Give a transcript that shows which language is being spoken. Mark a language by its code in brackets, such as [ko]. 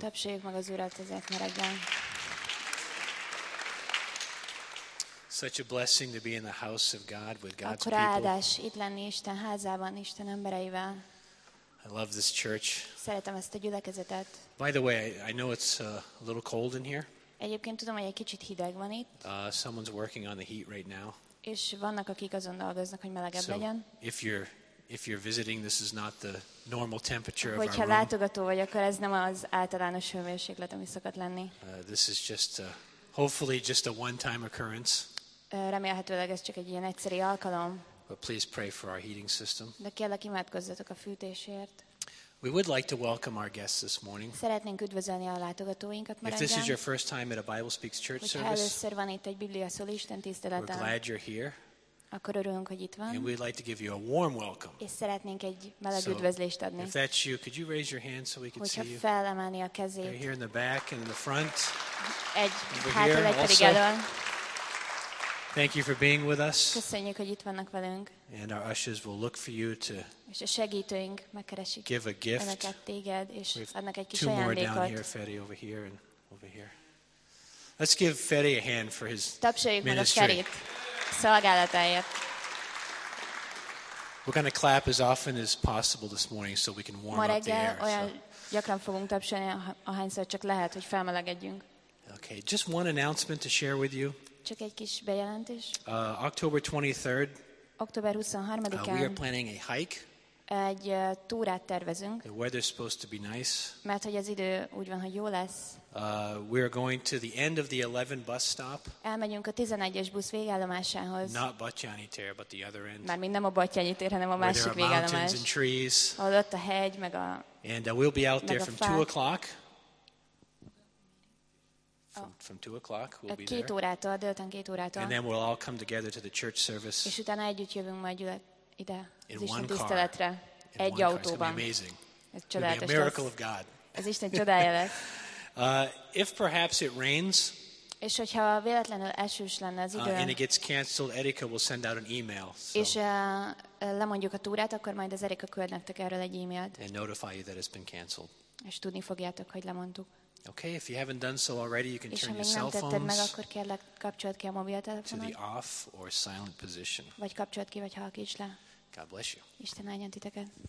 [hu] Töpsejük meg az Urat ezért ma reggel. [en] Such a blessing to be in the house of God with God's people. [hu] Akkora áldás itt lenni Isten házában, Isten embereivel. [en] I love this church. [hu] Szeretem ezt a gyülekezetet. [en] By the way, I know it's a little cold in here. [hu] Egyébként tudom, hogy egy kicsit hideg van itt. [en] Someone's working on the heat right now. [hu] És vannak, akik azon dolgoznak, hogy melegebb so legyen. [en] If you're visiting, this is not the normal temperature of [hu] Látogató vagy, akkor ez nem az általános hőmérséklet, ami szokott lenni. [en] This is just a, hopefully just a one-time occurrence. [hu] Remélhetőleg ez csak egy ilyen egyszeri alkalom. [en] But please pray for our heating system. [hu] De kérlek, imádkozzatok a fűtésért. [en] We would like to welcome our guests this morning. [hu] Szeretnénk üdvözölni a látogatóinkat ma reggel. [en] If this is your first time at a Bible Speaks church service, [hu] először van itt egy Biblia szól Isten tiszteleten, [en] we're glad you're here. [hu] Akkor örülünk, hogy itt van. [en] And we'd like to give you a warm welcome. [hu] És szeretnénk egy meleg üdvözlést adni. [en] If that's you, could you raise your hand so we can see you? [hu] Hogyha felemelni a kezét. [en] Right here in the back and in the front. [hu] Egy hátul, egy pedig elől. [en] Thank you for being with us. [hu] Köszönjük, hogy itt vannak velünk. [en] And our ushers will look for you to [hu] és a segítőink megkeresik. [en] Give a gift. [hu] Önöket, téged, és adnak egy kis [en] two [hu] ajándékot. [en] More down here, Feri, over here and over here. Let's give Feri a hand for his [hu] tapsoljuk [en] ministry. [hu] Szolgálatáért. [en] We're going to clap as often as possible this morning so we can warm up the air. [hu] Ma reggel olyan gyakran fogunk tapsolni, ahányszor csak lehet, hogy felmelegedjünk. [en] Okay, just one announcement to share with you. [hu] Csak egy kis bejelentés. [en] October 23rd. [hu] Október 23-án. [en] We are planning a hike. [hu] Egy túrát tervezünk. [en] The weather's supposed to be nice. [hu] Mert hogy az idő úgy van, hogy jó lesz. [en] We are going to the end of the 11 bus stop. [hu] Elmegyünk a 11-es busz végállomásához. [en] Not Batthyány tér, but the other end. [hu] Mármint nem a Batthyány tér, hanem a másik végállomás. [en] And trees. [hu] Ahol ott a hegy, meg a. [en] And we'll be out there from 2 o'clock. From 2 o'clock, we'll be there. [hu] Két órától, délután két órától. [en] And then we'll all come together to the church service. [hu] És utána együtt jövünk majd ide, ide az Isten tiszteletre, egy autóban. [en] It's going to be a miracle of God. [hu] Ez Isten csodája lesz. [en] If perhaps it rains. [hu] És hogyha véletlenül esős lenne az idő. [en] And it gets canceled, Erika will send out an email. [hu] És lemondjuk a túrát, akkor majd az Erika küld nektek erről egy e-mailt. [en] And notify you that it's been canceled. [hu] És tudni fogjátok, hogy lemondtuk. [en] Okay, if you haven't done so already, you can turn your cell phones. [hu] És ha még nem tetted meg, akkor kérlek, kapcsold ki a mobiltelefonot. [en] To the off or silent position. [hu] Vagy kapcsold ki, vagy halkíts le. [en] God bless you. [hu] Isten áldjon titeket.